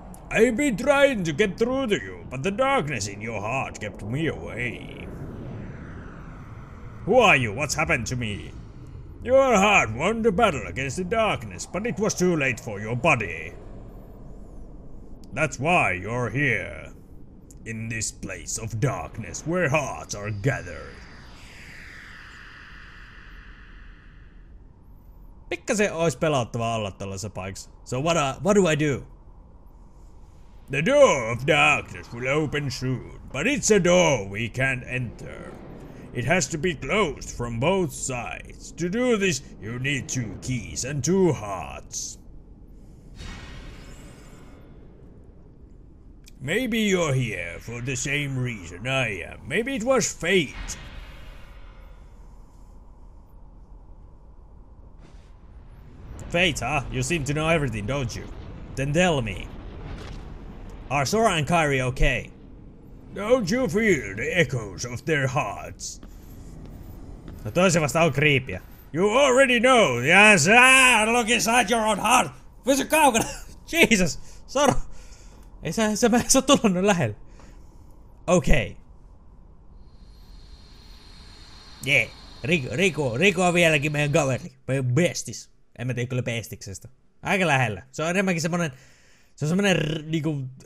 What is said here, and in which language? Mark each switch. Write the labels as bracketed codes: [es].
[en] I've been trying to get through to you, but the darkness in your heart kept me away. Who are you? What's happened to me? Your heart won the battle against the darkness, but it was too late for your body. That's why you're here. In this place of darkness where hearts are gathered. [fi] Pikkasen ois pelottavaa olla tällaisessa paikassa. [en] So what do I do? The door of darkness will open soon, but it's a door we can't enter. It has to be closed from both sides. To do this, you need two keys and two hearts. Maybe you're here for the same reason I am. Maybe it was fate. Fate, huh? You seem to know everything, don't you? Then tell me. Are Sora and Kairi okay? Don't you feel the echoes of their hearts? [fi] No toisen vasta on kriipiä. [en] You already know the answer! Look inside your own heart! [fi] Pysy kaukana! [en] Jesus! Sora! [fi] Ei sä, sä mä en sä tullu noin lähelle. Okei. [en] Okay. Yeah. [fi] Riku on vieläkin meidän kaveri. Meidän bestis. En mä tiedä kyllä bestiksestä. Aika lähellä. Se on enemmänkin semmonen... Se on semmonen niinku...